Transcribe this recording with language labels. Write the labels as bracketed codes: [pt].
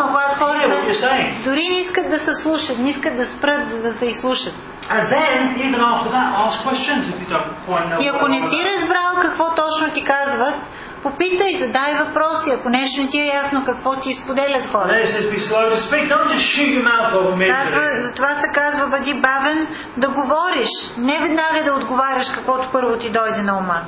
[bg] ако аз хора дори не искат да се слушат, не искат да спрат да се изслушат. [en] And then, even after that, ask questions if you don't quite know what I'm saying. [bg] И ако не си разбрал какво точно ти казват, попитай, задай въпроси, ако нещо не ти е ясно какво ти изподелят хора. [en] And then it says, be slow to speak. Don't just shoot your mouth off immediately. [bg] Затова се казва, бъди бавен да говориш, не веднага да отговаряш каквото първо ти дойде на ума.